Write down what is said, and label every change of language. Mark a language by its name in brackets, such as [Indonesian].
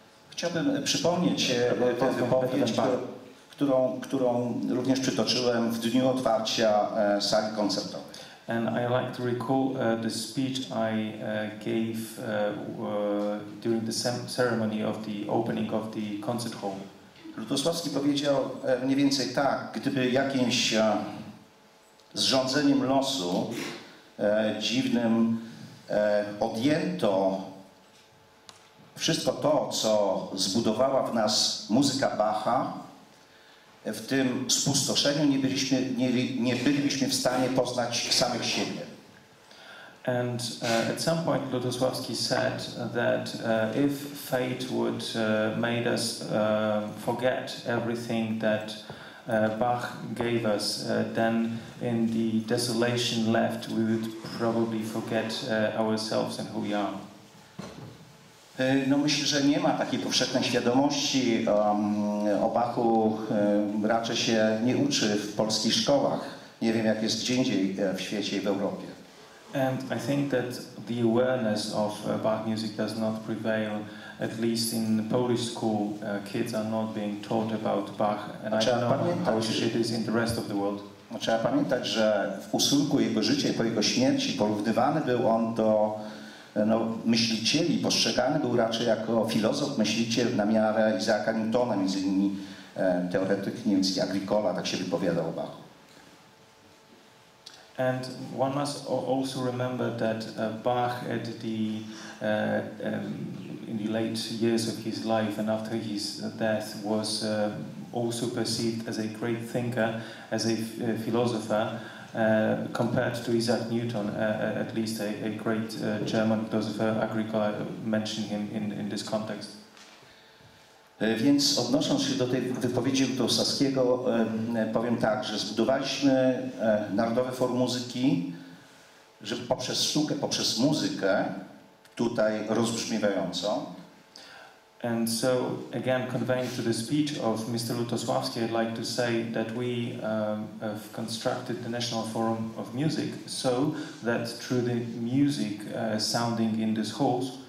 [Polish] Chciałbym przypomnieć tę wypowiedź, którą również przytoczyłem w dniu otwarcia sali koncertowej. [English] And I like to recall the speech I gave during the ceremony of the opening of the concert hall. [Polish] Lutosławski powiedział mniej więcej tak, gdyby jakimś zrządzeniem losu dziwnym odjęto wszystko to, co zbudowała w nas muzyka Bacha, w tym spustoszeniu nie bylibyśmy w stanie poznać samych siebie. [English] And at some point Lutosławski said that if fate would made us forget everything that Bach gave us, then in the desolation left we would probably forget ourselves and who we are. [Polish] No, myślę, że nie ma takiej powszechnej świadomości. O Bachu raczej się nie uczy w polskich szkołach. Nie wiem, jak jest gdzie indziej w świecie i w Europie. [English] And I think that the awareness of Bach music does not prevail, at least in the Polish school, kids are not being taught about Bach, and I don't know how it is in the rest of the world. [Polish] Trzeba pamiętać, że w usłynku jego życia i po jego śmierci porównywany był on do myślicieli, postrzegany był raczej jako filozof, myśliciel na miarę Isaaca Newtona, między innymi teoretyk niemiecki Agricola, tak się wypowiadał o Bachu. [English] And one must also remember that Bach at the in the late years of his life and after his death was also perceived as a great thinker, as a philosopher, compared to Isaac Newton, at least a great German philosopher. Agricola mentioned him in this context. [Polish] Więc odnosząc się do tej wypowiedzi Lutosławskiego, powiem tak, że zbudowaliśmy narodowe forum muzyki, że poprzez sztukę, poprzez muzykę tutaj rozbrzmiewającą. [English] And so again conveying to the speech of Mr. Lutosławski, I'd like to say that we have constructed the National Forum of Music so that through the music sounding in this hall,